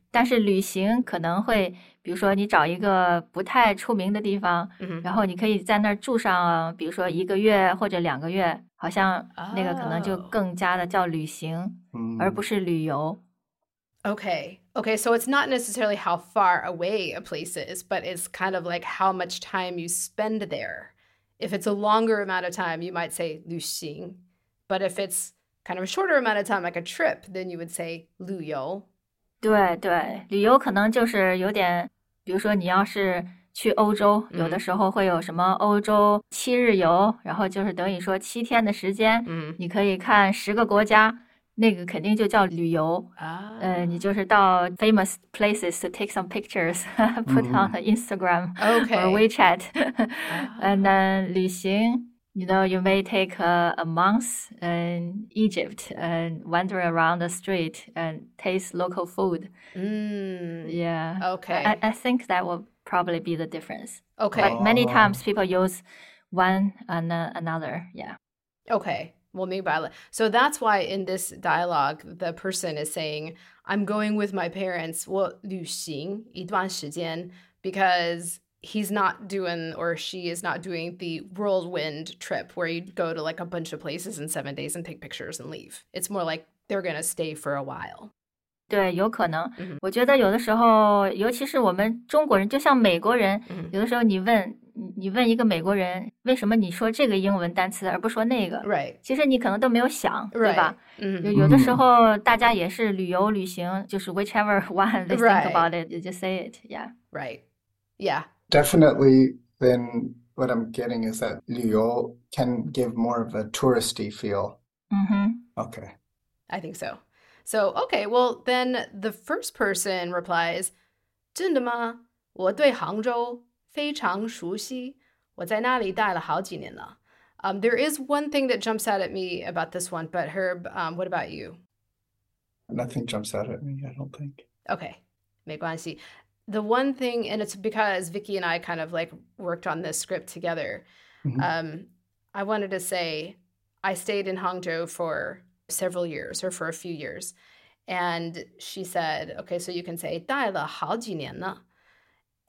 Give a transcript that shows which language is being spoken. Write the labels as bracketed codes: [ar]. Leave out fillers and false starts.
[zh] 但是旅行可能会比如说你找一个不太出名的地方、 mm-hmm. 然后你可以在那儿住上比如说一个月或者两个月好像那个可能就更加的叫旅行、 oh. 而不是旅游。 [en] Okay, okay, so it's not necessarily how far away a place is, but it's kind of like how much time you spend there. If it's a longer amount of time, you might say 旅行, but if it's kind of a shorter amount of time, like a trip, then you would say 旅游。 [zh] 对对，旅游可能就是有点，比如说你要是去欧洲，有的时候会有什么欧洲七日游，然后就是等于说七天的时间，你可以看十个国家，那个肯定就叫旅游。啊，你就是到 [en] famous places to take some pictures, put on Instagram or WeChat, and then 旅行 You know, you may take a month in Egypt and wander around the street and taste local food. Yeah, Okay. I think that will probably be the difference. But many times Oh. people use one and another. Yeah. Okay. Well, maybe by so that's why in this dialogue, the person is saying, I'm going with my parents, [zh] 我旅行一段时间, [en] because he's not doing or she is not doing the whirlwind trip where you go to like a bunch of places in 7 days and take pictures and leave. It's more like they're gonna stay for a while. [zh] 对，有可能。我觉得有的时候，尤其是我们中国人，就像美国人，有的时候你问一个美国人，为什么你说这个英文单词而不说那个？其实你可能都没有想，对吧？有的时候大家也是旅游旅行，就是 [en] whichever one they think about it, they just say it, yeah。 Definitely, then what I'm getting is that Lyon can give more of a touristy feel. Okay. I think so. So, okay, well, then the first person replies, [zh] 真的吗? 我对杭州非常熟悉。我在那里待了好几年了。 [en] There is one thing that jumps out at me about this one, but Herb, what about you? Nothing jumps out at me, I don't think. Okay, [zh] 没关系. [en] The one thing, and it's because Vicky and I kind of like worked on this script together. I wanted to say I stayed in Hangzhou for several years or for a few years, and she said, "Okay, so you can say [zh] 待了好几年了."